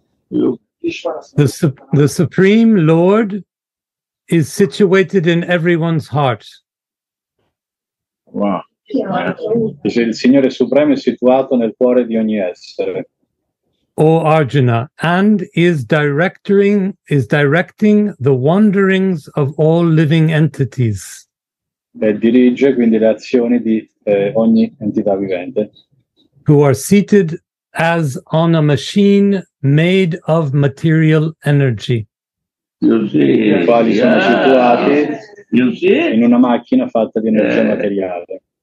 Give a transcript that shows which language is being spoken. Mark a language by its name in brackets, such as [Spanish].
[English] The Supreme Lord is situated in everyone's heart. Wow. [Italian] Il Signore Supremo è situato nel cuore di ogni essere. [English] O Arjuna, and is directing the wanderings of all living entities. [Italian] E dirige quindi le azioni di ogni entità vivente. [English] Who are seated as on a machine made of material energy. You see, [Italian] i quali [English] yeah. [Italian] sono situati in una macchina fatta di energia materiale.